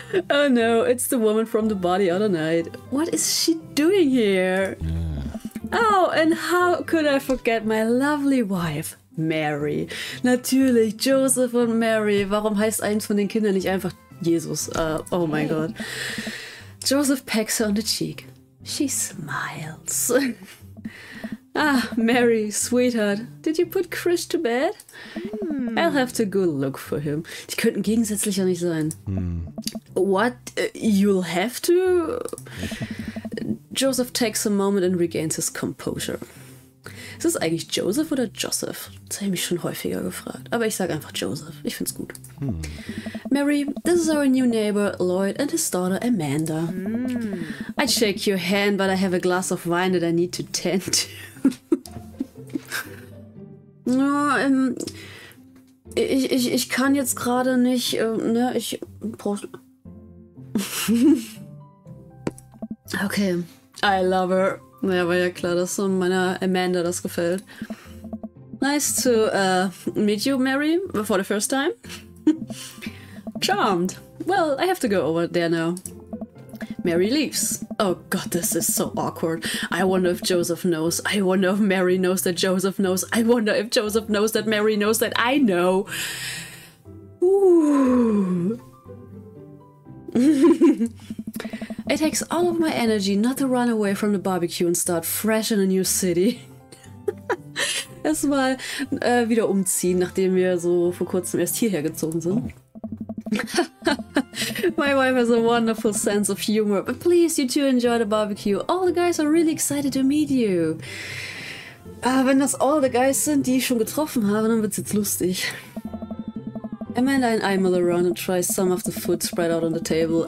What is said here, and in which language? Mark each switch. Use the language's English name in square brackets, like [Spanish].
[English] Oh no, it's the woman from the body other night. What is she doing here? Oh, and how could I forget my lovely wife, Mary? [German] Natürlich, Joseph und Mary. Warum heißt eins von den Kindern nicht einfach Jesus? [English] Oh my god. Joseph pecks her on the cheek. She smiles. Ah, Mary, sweetheart. Did you put Chris to bed? I'll have to go look for him. [German] Die könnten gegensätzlicher nicht sein. [English] What? You'll have to? Joseph takes a moment and regains his composure. [German] Ist es eigentlich Joseph oder Joseph? Das habe ich mich schon häufiger gefragt. Aber ich sage einfach Joseph. Ich find's gut. [English] Mary, this is our new neighbor, Lloyd, and his daughter, Amanda. I shake your hand, but I have a glass of wine that I need to tend to. [German] No, ich kann jetzt gerade nicht, ne, ich... [English] Okay. I love her. [German] Naja, war ja klar, dass so meiner Amanda das gefällt. [English] Nice to meet you, Mary, for the first time. Charmed. Well, I have to go over there now. Mary leaves. Oh god, this is so awkward. I wonder if Joseph knows. I wonder if Mary knows that Joseph knows. I wonder if Joseph knows that Mary knows that I know. Ooh. It takes all of my energy not to run away from the barbecue and start fresh in a new city. [German] Erstmal wieder umziehen, nachdem wir so vor kurzem erst hierher gezogen sind. [English] My wife has a wonderful sense of humor, but please, you two enjoy the barbecue. All the guys are really excited to meet you. [German] Wenn das all the guys sind, die ich schon getroffen habe, dann wird's jetzt lustig. [English] Amanda and I mull around and try some of the food spread out on the table.